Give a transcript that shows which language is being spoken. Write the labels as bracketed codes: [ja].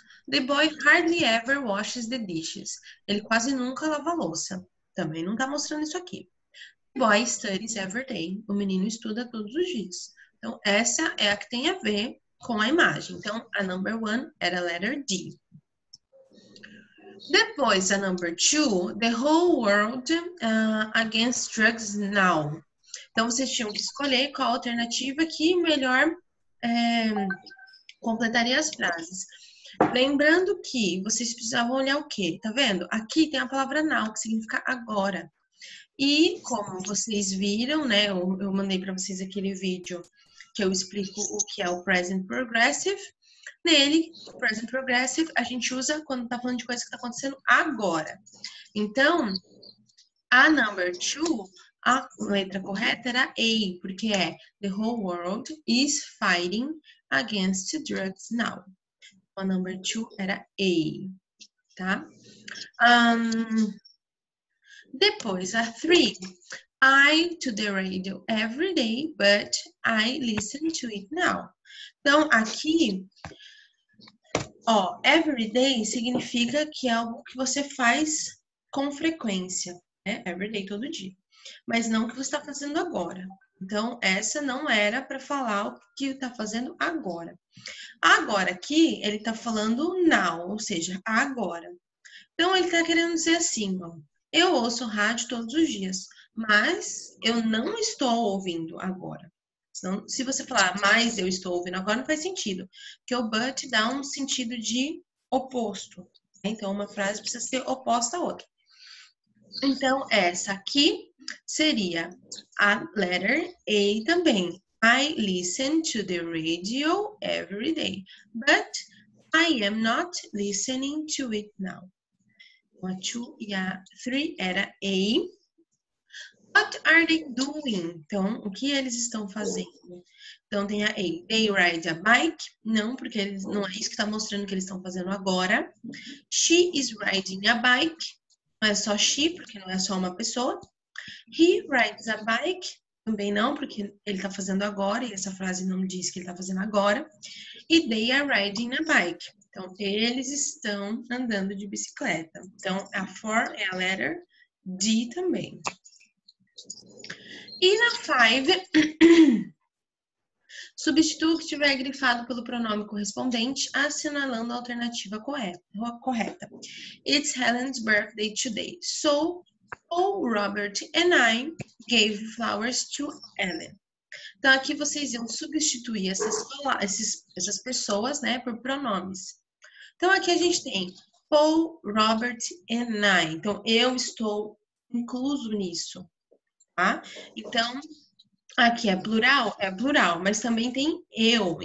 [en] The boy hardly ever washes the dishes. [pt] Ele quase nunca lava a louça. Também não tá mostrando isso aqui. [en] The boy studies every day. [pt] O menino estuda todos os dias. Então, essa é a que tem a ver com a imagem. Então, a number one era a letter D. [en] Depois, a number two, the whole world against drugs now. [pt] Então, vocês tinham que escolher qual alternativa que melhor completaria as frases. Lembrando que vocês precisavam olhar o quê? Tá vendo? Aqui tem a palavra now, que significa agora. E como vocês viram, né? Eu mandei para vocês aquele vídeo que eu explico o que é o present progressive. Nele, o present progressive, a gente usa quando tá falando de coisa que tá acontecendo agora. Então, a number two... A letra correta era A, porque é [en] the whole world is fighting against drugs now. [pt] A number two era A, tá? Depois, a three. [en] I to the radio every day, but I listen to it now. [pt] Então, aqui, ó, every day significa que é algo que você faz com frequência, né? Every day, todo dia. Mas não o que você está fazendo agora. Então, essa não era para falar o que está fazendo agora. Agora aqui, ele está falando now, ou seja, agora. Então, ele está querendo dizer assim, ó, eu ouço rádio todos os dias, mas eu não estou ouvindo agora. Então, se você falar, mas eu estou ouvindo agora, não faz sentido. Porque o but dá um sentido de oposto. Então, uma frase precisa ser oposta à outra. Então, essa aqui seria a letter A também. [en] I listen to the radio every day, but I am not listening to it now. [pt] A 2 e a 3 era A. [en] What are they doing? [pt] Então, o que eles estão fazendo? Então, tem a A. [en] They ride a bike? [pt] Não, porque eles, não é isso que está mostrando que eles estão fazendo agora. [en] She is riding a bike. [pt] Não é só she, porque não é só uma pessoa. [en] He rides a bike, [pt] também não, porque ele está fazendo agora, e essa frase não diz que ele está fazendo agora. E [en] they are riding a bike. [pt] Então, eles estão andando de bicicleta. Então, a 4 é a letter D também. E na 5, substitua o que estiver grifado pelo pronome correspondente, assinalando a alternativa correta. [en] It's Helen's birthday today. So, Paul, Robert and I gave flowers to Helen. [pt] Então, aqui vocês iam substituir essas pessoas, né, por pronomes. Então, aqui a gente tem Paul, Robert and I. Então, eu estou incluso nisso, tá? Então, aqui é plural, mas também tem eu.